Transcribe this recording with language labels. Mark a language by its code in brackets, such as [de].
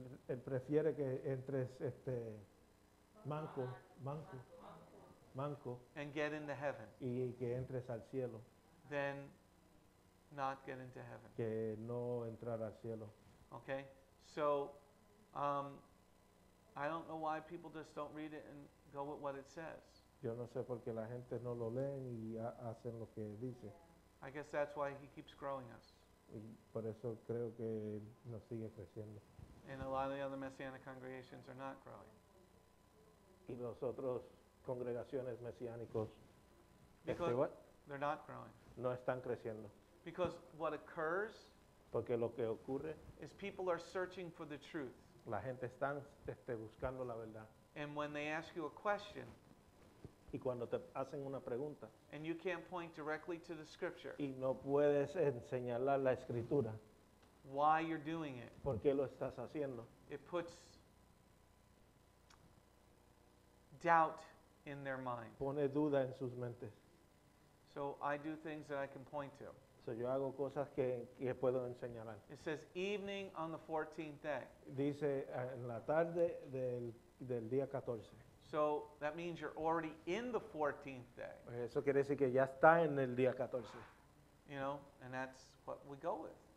[es] Él prefiere que entres manco. Manco, [en] and get into heaven. [es] Y que entres al cielo. [en] Then not get into heaven. [es] Que no entrar al cielo. [en] Okay? So, I don't know why people just don't read it and go with what it says. [es] Yo no sé por qué la gente no lo leen y hacen lo que dice. [en] I guess that's why he keeps growing us. [es] Y por eso creo que nos sigue creciendo. [en] And a lot of the other Messianic congregations are not growing. [es] Y nosotros congregaciones mesiánicos. [en] Because what? They're not growing. [es] No están creciendo. [en] Because what occurs? [es] Porque lo que ocurre [en] is people are searching for the truth. [es] La gente están buscando la verdad. [en] And when they ask you a question, [es] y cuando te hacen una pregunta, [en] and you can't point directly to the scripture, [es] y no puedes señalar la escritura, [en] why you're doing it? [es] ¿Por qué lo estás haciendo? [en] It puts doubt in their mind. [es] Pone duda en sus mentes. [en] So I do things that I can point to. [es] So yo hago cosas que puedo enseñarles. [en] It says evening on the 14th day. [es] Dice en la tarde del día 14. [en] So that means you're already in the 14th day. [es] Eso quiere decir que ya está en el día 14. [en] You know, and that's what we go with.